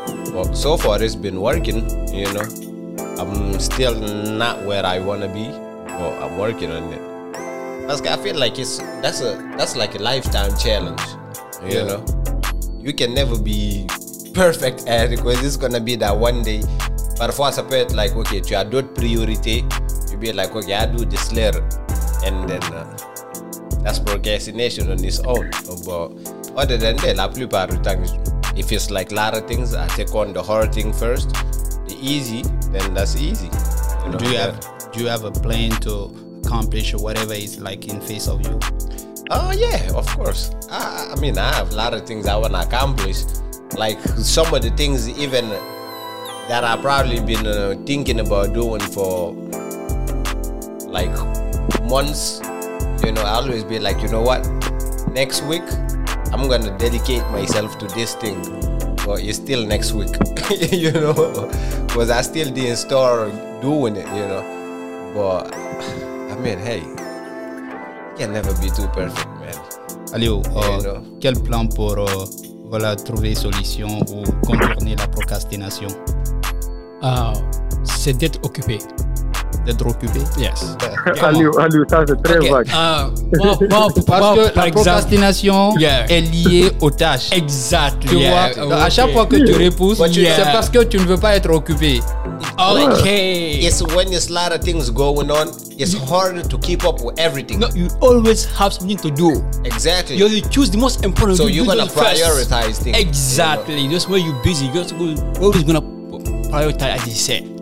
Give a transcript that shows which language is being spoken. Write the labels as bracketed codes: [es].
[en] Well, so far it's been working, you know. I'm still not where I wanna be, but I'm working on it. I feel like that's like a lifetime challenge, you yeah. know. You can never be perfect at it, because it's gonna be that one day. [fr] Parfois ça peut être like, okay, tu as d'autres priorités. [en] You be like, okay, I do this later, and then that's procrastination on its own. But other than that, [fr] la plupart du temps, [en] if it's like a lot of things, I take on the hard thing first, the easy, then that's easy. You know? Do you have a plan to accomplish whatever is like in face of you? Yeah, of course. I mean, I have a lot of things I want to accomplish. Like some of the things even that I've probably been thinking about doing for like months, you know, I always be like, you know what, next week I'm going to dedicate myself to this thing, but it's still next week, you know, because I still didn't start doing it, you know, but I mean, hey, you can never be too perfect, man. [fr] Alio, quel plan pour voilà, trouver solution ou contourner la procrastination? C'est d'être occupé. D'être occupé? [en] Yes. [fr] Alio, ça c'est très vague. Parce que la procrastination est liée aux tâches. Exact. Tu vois, à chaque fois que tu repousses, c'est parce que tu ne veux pas être occupé. [en] Okay. It's when there's a lot of things going on, it's hard to keep up with everything. No, you always have something to do. Exactly. You choose the most important. So you're going to prioritize things. Exactly. You know? That's why you're busy. You're always going to prioritize, as you said.